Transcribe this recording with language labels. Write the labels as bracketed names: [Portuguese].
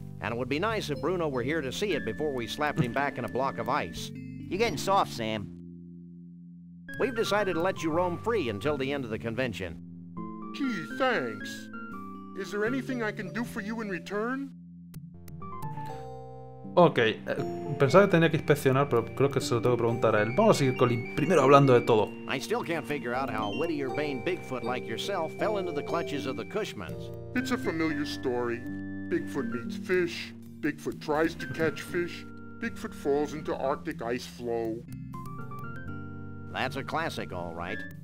[English] And it would be nice if Bruno were here to see it before we slapped him back in a block of ice. You're getting soft, Sam. We've decided to let you roam free until the end of the convention. Gee, thanks. Is there anything I can do for you in return? [Spanish] Ok, pensaba que tenía que inspeccionar, pero creo que se lo tengo que preguntar a él. Vamos a seguir con primero hablando de todo. [English] I still can't figure out how Whittier Bane Bigfoot like yourself fell into the clutches of the Cushmans. It's a familiar story. Bigfoot meets fish. Bigfoot tries to catch fish. Bigfoot falls into Arctic ice flow. That's a classic, all right.